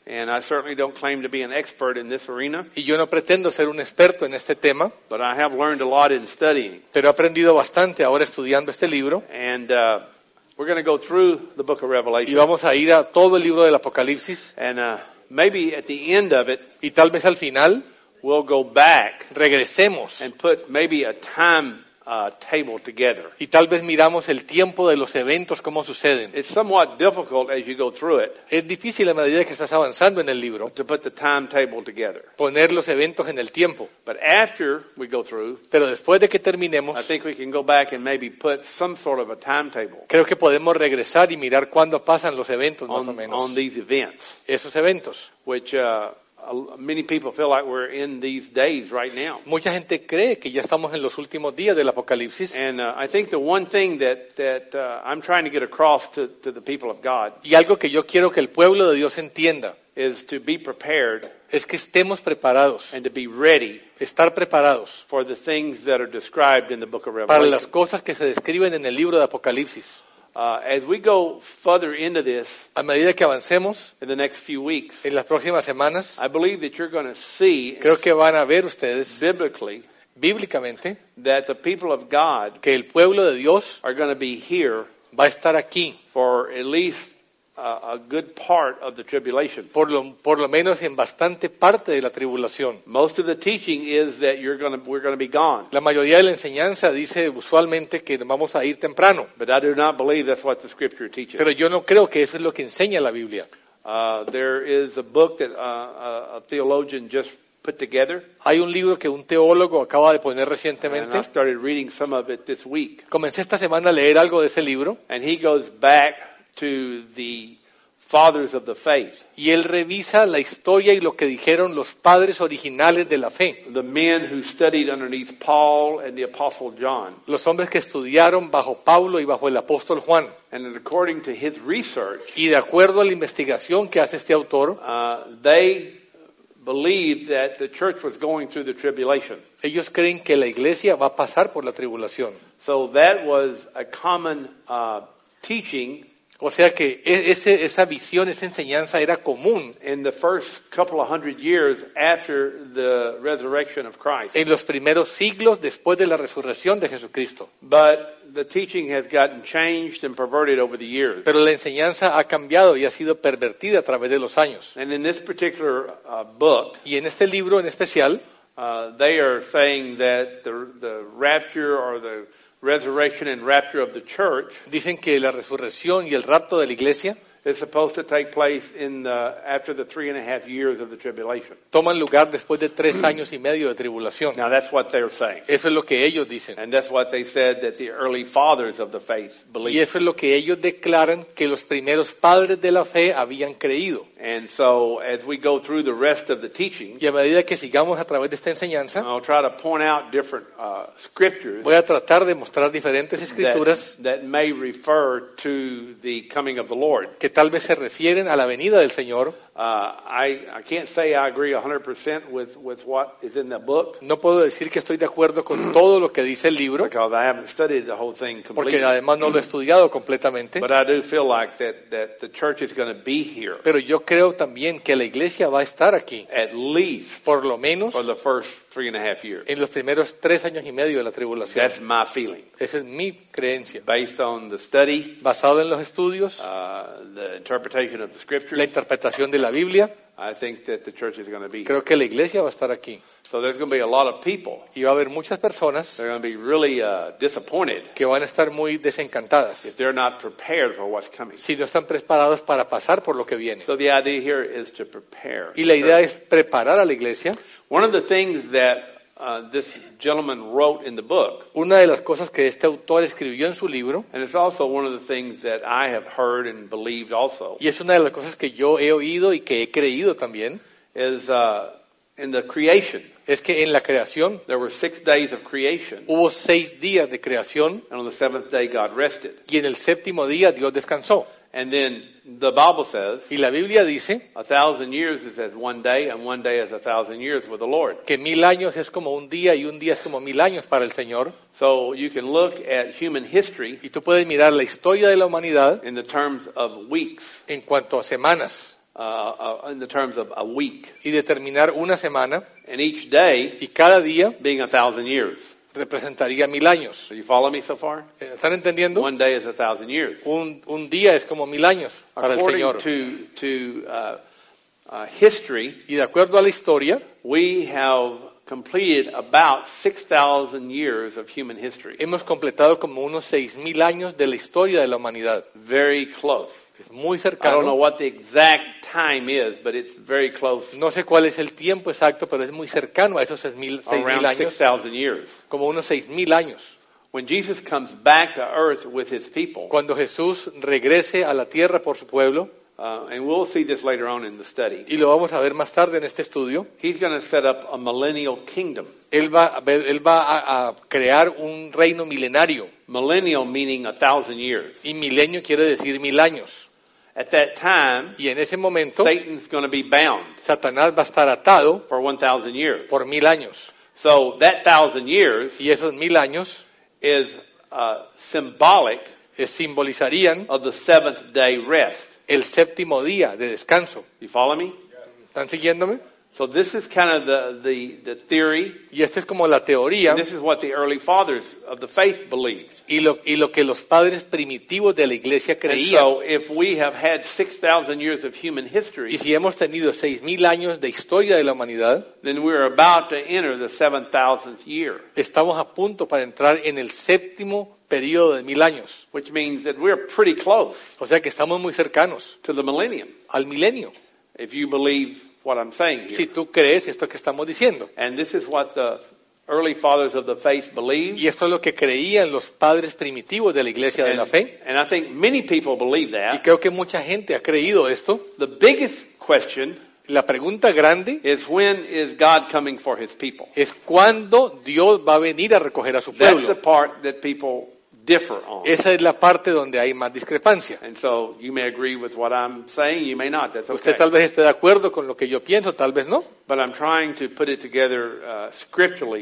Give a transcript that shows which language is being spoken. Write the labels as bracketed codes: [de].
[en] And I certainly don't claim to be an expert in this arena. [es] Y yo no pretendo ser un experto en este tema. [en] But I have learned a lot in studying. [es] Pero he aprendido bastante ahora estudiando este libro. [en] And we're going to go through the book of Revelation. [es] Y vamos a ir a todo el libro del Apocalipsis. [en] And maybe at the end of it. [es] Y tal vez al final. [en] We'll go back. [es] Regresemos. [en] And put maybe a time table together. [es] Y tal vez miramos el tiempo de los eventos cómo suceden. [en] It's somewhat difficult as you go through it. [es] Es difícil a medida que estás avanzando en el libro. [en] To put the time table together. [es] Poner los eventos en el tiempo. [en] But after we go through. [es] Pero después de que terminemos. [en] I think we can go back and maybe put some sort of a time table. [es] Creo que podemos regresar y mirar cuándo pasan los eventos más o menos. [en] On these events. [es] Esos eventos. [en] Which many people feel like we're in these days right now. [es] Mucha gente cree que ya estamos en los últimos días del Apocalipsis. [en] And I think the one thing that I'm trying to get across to the people of God. [es] Y algo que yo quiero que el pueblo de Dios entienda. [en] Is to be prepared. [es] Es que estemos preparados. [en] And to be ready. [es] Estar preparados. [en] For the things that are described in the book of Revelation. [es] Para las cosas que se describen en el libro de Apocalipsis. [en] As we go further into this, [es] a medida que avancemos, [en] in the next few weeks, [es] en las próximas semanas, [en] I believe that you're going to see, [es] creo que van a ver ustedes, [en] biblically, [es] bíblicamente, [en] that the people of God, [es] que el pueblo de Dios, [en] are going to be here, [es] va a estar aquí, [en] for at least a good part of the tribulation, [es] por lo menos en bastante parte de la tribulación. [en] Most of the teaching is that we're going to be gone. [es] La mayoría de la enseñanza dice usualmente que vamos a ir temprano. [en] But I do not believe that's what the scripture teaches. [es] Pero yo no creo que eso es lo que enseña la Biblia. [en] There is a book that a theologian just put together. [es] Hay un libro que un teólogo acaba de poner recientemente. [en] And I started reading some of it this week. [es] Comencé esta semana a leer algo de ese libro. [en] And he goes back to the fathers of the faith. [es] Y él revisa la historia y lo que dijeron los padres originales de la fe. [en] The men who studied underneath Paul and the apostle John. [es] Los hombres que estudiaron bajo Pablo y bajo el apóstol Juan. [en] And according to his research. [es] Y de acuerdo a la investigación que hace este autor, [en] they believe that the church was going through the tribulation. [es] Ellos creen que la iglesia va a pasar por la tribulación. [en] So that was a common teaching. [es] O sea que esa visión, esa enseñanza era común. [en] In the first couple of hundred years after the resurrection of Christ. [es] En los primeros siglos después de la resurrección de Jesucristo. [en] But the teaching has gotten changed and perverted over the years. [es] Pero la enseñanza ha cambiado y ha sido pervertida a través de los años. [en] And in this particular book. [es] Y en este libro en especial. [en] They are saying that the rapture or the resurrection and rapture of the church. [es] Dicen que la resurrección y el rapto de la iglesia [en] is supposed to take place in the after the 3.5 years of the tribulation. [es] Toman lugar después de 3 años y medio de tribulación. [en] Now that's what they're saying. [es] Eso es lo que ellos dicen. [en] And that's what they said that the early fathers of the faith believed. [es] Y eso es lo que ellos declaran que los primeros padres de la fe habían creído. [en] And so as we go through the rest of the teaching, [es] y a medida que sigamos a través de esta enseñanza, [en] I'll try to point out different scriptures. [es] Voy a tratar de mostrar diferentes escrituras [en] that may refer to the coming of the Lord. [es] Que tal vez se refieren a la venida del Señor. [en] I can't say I agree 100% with what is in the book. [es] No puedo decir que estoy de acuerdo con todo lo que dice el libro. [en] Because I haven't studied the whole thing completely. [es] Porque además no lo he estudiado completamente. [en] But I do feel like that the church is going to be here. [es] Pero yo creo también que la iglesia va a estar aquí. [en] At least. [es] Por lo menos. [en] For the first 3.5 years. [es] En los primeros 3 años y medio de la tribulación. [en] That's my feeling. [es] Esa es mi creencia. [en] Based on the study. [es] Basado en los estudios. [en] The interpretation of the scriptures. [es] La interpretación de la Biblia. [en] I think that the church is going to be. [es] Creo que la iglesia va a estar aquí. [en] So there's going to be a lot of people. [es] Y va a haber muchas personas. [en] They're going to be really disappointed. [es] Que van a estar muy desencantadas. [en] If they're not prepared for what's coming. [es] Si no están preparados para pasar por lo que viene. [en] So the idea here is to prepare. [es] Y la idea es preparar a la iglesia. [en] One of the things that this gentleman wrote in the book. [es] Una de las cosas que este autor escribió en su libro. [en] And it's also one of the things that I have heard and believed also. [es] Y es una de las cosas que yo he oído y que he creído también. [en] Is in the creation. [es] Es que en la creación. [en] There were 6 days of creation. [es] Hubo 6 días de creación. [en] And on the 7th day God rested. [es] Y en el séptimo día Dios descansó. [en] And then the Bible says, [es] y la Biblia dice, [en] a thousand years is as one day, and one day is a thousand years with the Lord. [es] Que mil años es como un día, y un día es como mil años para el Señor. [en] So you can look at human history, [es] y tú puedes mirar la historia de la humanidad, [en] in the terms of weeks, [es] en cuanto a semanas, [en] in the terms of a week, [es] y determinar una semana, [en] and each day, [es] y cada día, [en] being a thousand years. [es] Representaría mil años. [en] Do you follow me so far? [es] ¿Están entendiendo? [en] One day is a thousand years. [es] Un día es como mil años para el Señor. [en] According to history, [es] y de acuerdo a la historia, [en] we have completed about 6,000 years of human history. [es] Hemos completado como unos 6,000 años de la historia de la humanidad. [en] Very close. [es] Es muy cercano. [en] I don't know what the exact time is, but it's very close. [es] No sé cuál es el tiempo exacto, pero es muy cercano a esos 6,000 años. [en] 6,000 years. [es] Como unos 6,000 años. [en] When Jesus comes back to earth with his people. [es] Cuando Jesús regrese a la tierra por su pueblo. [en] And we'll see this later on in the study. [es] Y lo vamos a ver más tarde en este estudio. [en] He's going to set up a millennial kingdom. [es] Él va a crear un reino milenario. [en] Millennial meaning a thousand years. [es] Y milenio quiere decir mil años. [en] At that time, [es] y en ese momento, [en] Satan's going to be bound. [es] Satanás va a estar atado [en] for 1,000 years. [es] Por mil años. [en] So that thousand years, [es] y esos mil años, [en] is symbolic. [es] Es simbolizarían [en] of the seventh day rest. [es] El séptimo día de descanso. [en] You follow me? [es] ¿Están siguiéndome? [en] So this is kind of the theory. [es] Y esta es como la teoría. [en] And this is what the early fathers of the faith believed. [es] Y lo que los padres primitivos de la iglesia creían. [en] And so if we have had 6,000 years of human history, [es] y si hemos tenido 6,000 años de historia de la humanidad, [en] then we are about to enter the 7,000th year. [es] Estamos a punto para entrar en el séptimo periodo de mil años. [en] Which means that we are pretty close. [es] O sea que estamos muy cercanos. [en] To the millennium. [es] Al milenio. [en] If you believe what I'm saying here. [es] Si tú crees esto que estamos diciendo. [en] And this is what the early fathers of the faith believed. [es] Y esto es lo que creían los padres primitivos de la iglesia de la fe. [en] And I think many people believe that. [es] Y creo que mucha gente ha creído esto. [en] The biggest question, [es] la pregunta grande, [en] is when is God coming for his people? [es] Es cuándo Dios va a venir a recoger a su pueblo. [en] That's the part that people differ on. [es] Esa es la parte donde hay más discrepancia. [en] And so you may agree with what I'm saying, you may not. That's okay. [es] Usted tal vez esté de acuerdo con lo que yo pienso, tal vez no. [en] But I'm trying to put it together scripturally.